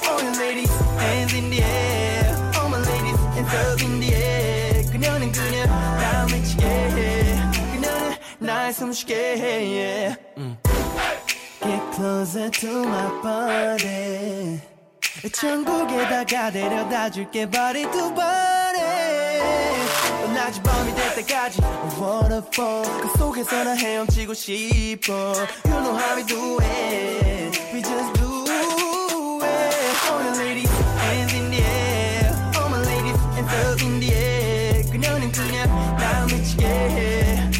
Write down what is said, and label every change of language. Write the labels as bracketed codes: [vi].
[en] All your ladies, hands in the air, all my ladies, and girls in the air. [ko] 그녀는 그녀, 다음 미치게 해. 그녀는 날 숨 쉬게 해, yeah. Get closer to my body. 천국에다가 데려다 줄게, body to body. 낮이 밤이 될 때까지 a waterfall 그 속에서 나 헤엄치고 싶어. [en] You know how we do it, we just do it. All your ladies, hands in the air. All my ladies, and girls in the air. [ko] 그녀는 그녀, 나를 미치게 해.